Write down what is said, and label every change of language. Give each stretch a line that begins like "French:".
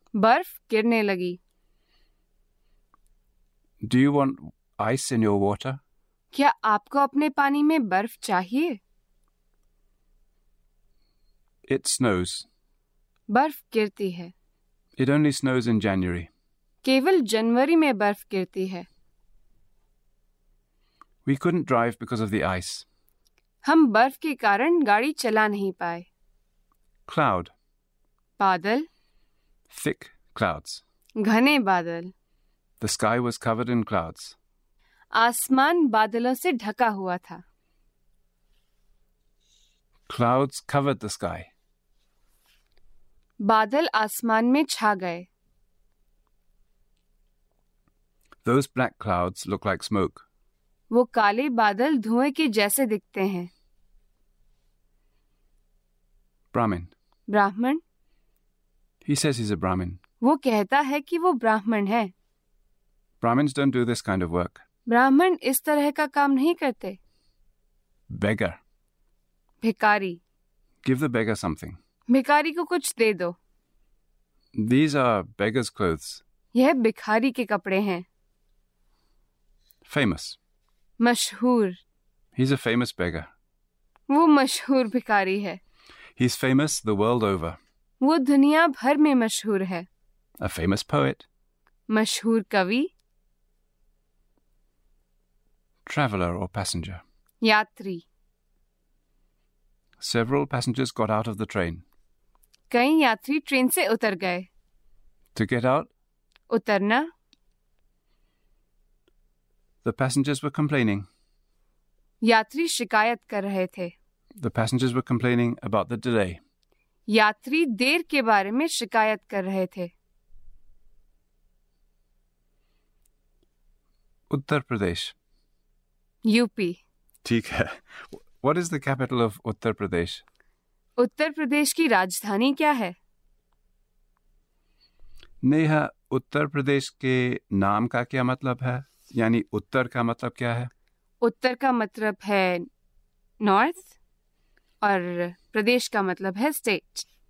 Hindi: Barf girne lagi.
English: Do you want ice in your water?
Hindi: Kya aapko apne pani mein barf chahiye?
English: It snows.
Hindi: बर्फ गिरती है।
English: It only snows in January.
Hindi: केवल जनवरी में बर्फ गिरती है।
English: We couldn't drive because of the ice.
Hindi: हम बर्फ के कारण गाड़ी चला नहीं पाए।
English: Cloud.
Hindi: बादल।
English: Thick clouds.
Hindi: घने बादल।
English: The sky was covered in clouds.
Hindi: आसमान बादलों से ढका हुआ था।
English: Clouds covered the sky.
Hindi: बादल आसमान में छा गए।
English: Those black clouds look like smoke.
Hindi: वो काले बादल धुएं के जैसे दिखते हैं।
English: Brahmin.
Hindi: ब्राह्मण।
English: He says he's a Brahmin.
Hindi: वो कहता है कि वो ब्राह्मण है।
English: Brahmins don't do this kind of work.
Hindi: ब्राह्मण इस तरह का काम नहीं करते।
English: Beggar.
Hindi: भिखारी।
English: Give the beggar something.
Hindi: भिखारी को कुछ दे दो।
English: These are beggar's clothes.
Hindi: यह भिखारी के कपड़े हैं।
English: Famous.
Hindi: मशहूर।
English: He's a famous beggar.
Hindi: वो मशहूर भिखारी है।
English: He's famous the world over.
Hindi: वो दुनिया भर में मशहूर है।
English: A famous poet.
Hindi: मशहूर कवि।
English: Traveler or passenger.
Hindi: यात्री।
English: Several passengers got out of the train.
Hindi: कई यात्री ट्रेन से उतर गए।
English: To get out?
Hindi: उतरना।
English: The passengers were complaining.
Hindi: यात्री शिकायत कर रहे थे।
English: The passengers were complaining about the delay.
Hindi: यात्री देर के बारे में शिकायत कर रहे थे। उत्तर प्रदेश। यूपी। ठीक है।
English: What is the capital of Uttar Pradesh?
Hindi: Uttar Pradesh की राजधानी क्या है? नेहा, उत्तर प्रदेश के नाम का क्या मतलब है? यानी उत्तर का मतलब क्या है? उत्तर का मतलब है
English: north
Hindi: और प्रदेश का मतलब है
English: State.